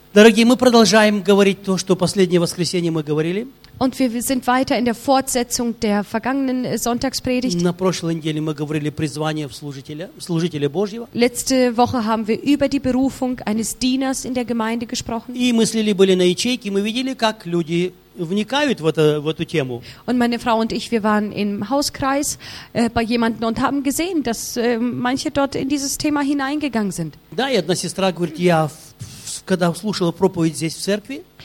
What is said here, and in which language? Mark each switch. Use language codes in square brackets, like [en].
[ru] Дорогие, мы продолжаем говорить то, что последнее воскресенье мы говорили. [de] Und wir sind weiter in der Fortsetzung der vergangenen Sonntagspredigt. [ru] На прошлой неделе мы говорили призвание в служителя, служителя Божьего. [de] Letzte Woche haben wir über die Berufung eines Dieners in der Gemeinde gesprochen. [ru] И мы слили были на ячейки, мы видели, как люди вникают в эту тему. [de] Und meine Frau und ich, wir waren im Hauskreis bei jemanden und haben gesehen, dass manche dort in dieses Thema hineingegangen sind. [ru] Да, и одна сестра говорит, я когда слушала проповедь здесь в церкви.